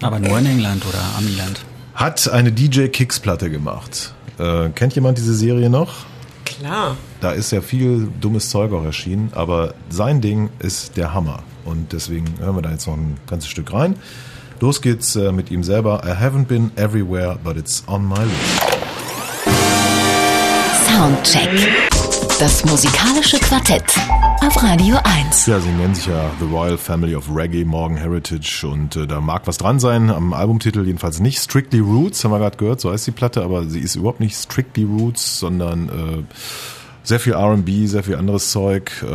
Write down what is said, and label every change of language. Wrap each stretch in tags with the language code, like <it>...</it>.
<de>Aber auch. Nur in England oder Amiland. Hat eine DJ-Kicks-Platte gemacht. Kennt jemand diese Serie noch? Klar. Da ist ja viel dummes Zeug auch erschienen, aber sein Ding ist der Hammer. Und deswegen hören wir da jetzt noch ein ganzes Stück rein. Los geht's mit ihm selber.</de> <en>I haven't been everywhere, but it's on my list.</en> <de>Soundcheck. Das musikalische Quartett auf Radio 1. Ja, sie nennen sich ja The Royal Family of Reggae, Morgan Heritage. Und da mag was dran sein, am Albumtitel jedenfalls nicht. Strictly Roots, haben wir gerade gehört, so heißt die Platte. Aber sie ist überhaupt nicht Strictly Roots, sondern sehr viel R&B, sehr viel anderes Zeug.</de>